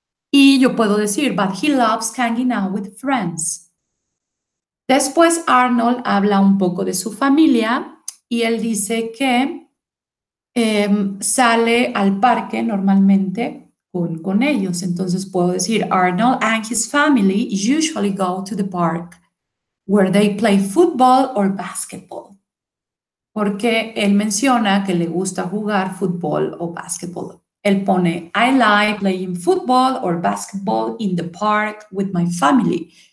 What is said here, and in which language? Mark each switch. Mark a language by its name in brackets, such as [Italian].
[Spanish] Y yo puedo decir, [English] but he loves hanging out with friends. [Spanish] Después, Arnold habla un poco de su familia y él dice que sale al parque normalmente con ellos. Entonces puedo decir, [English] Arnold and his family usually go to the park where they play football or basketball. [Spanish] Porque él menciona que le gusta jugar fútbol o basketball. Él pone, [English] I like playing football or basketball in the park with my family.